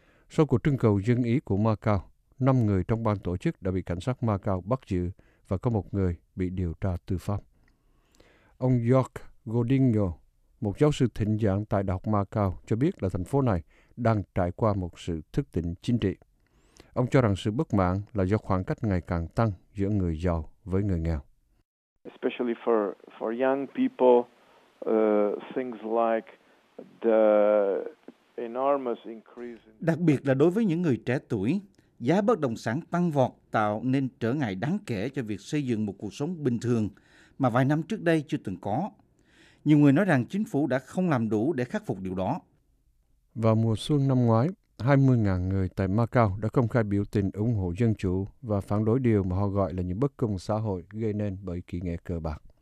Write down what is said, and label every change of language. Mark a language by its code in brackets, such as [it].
[vi] Sau cuộc trưng cầu dân ý của Macau, 5 người trong ban tổ chức đã bị cảnh sát Macau bắt giữ và có một người bị điều tra tư pháp. Ông York Godinho, một giáo sư thỉnh giảng tại Đại học Macau, cho biết là thành phố này đang trải qua một sự thức tỉnh chính trị. Ông cho rằng sự bất mãn là do khoảng cách ngày càng tăng giữa người giàu với người nghèo. [en] Especially for young people, things like the enormous increase. [vi] Đặc biệt là đối với những người trẻ tuổi, giá bất động sản tăng vọt tạo nên trở ngại đáng kể cho việc xây dựng một cuộc sống bình thường mà vài năm trước đây chưa từng có. Nhiều người nói rằng chính phủ đã không làm đủ để khắc phục điều đó. Vào mùa xuân năm ngoái, 20.000 người tại Macau đã công khai biểu tình ủng hộ dân chủ và phản đối điều mà họ gọi là những bất công xã hội gây nên bởi kỹ nghệ cờ bạc.